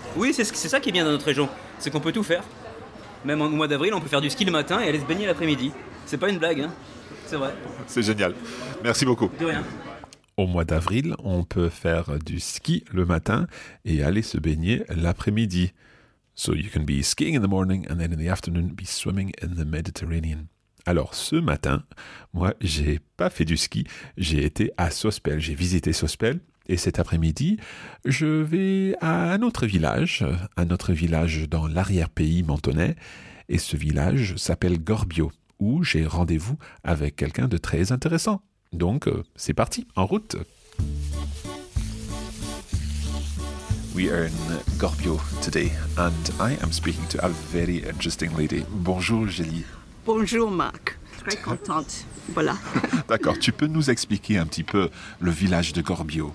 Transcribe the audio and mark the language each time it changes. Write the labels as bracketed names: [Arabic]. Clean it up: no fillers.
[French] Oui, c'est ça qui est bien dans notre région, c'est qu'on peut tout faire. Même au mois d'avril, on peut faire du ski le matin et aller se baigner l'après-midi. C'est pas une blague, hein, c'est vrai. C'est génial, merci beaucoup. De rien. Au mois d'avril, on peut faire du ski le matin et aller se baigner l'après-midi. [English] So you can be skiing in the morning and then in the afternoon be swimming in the Mediterranean. [French] Alors ce matin, moi j'ai pas fait du ski, j'ai été à Sospel, j'ai visité Sospel. Et cet après-midi, je vais à un autre village dans l'arrière-pays mentonais. Et ce village s'appelle Gorbio, où j'ai rendez-vous avec quelqu'un de très intéressant. Donc, c'est parti, en route. [English] We are in Gorbio today, and I am speaking to a very interesting lady. [French] Bonjour, Julie. Bonjour, Marc. Très contente. Voilà. D'accord. Tu peux nous expliquer un petit peu le village de Gorbio?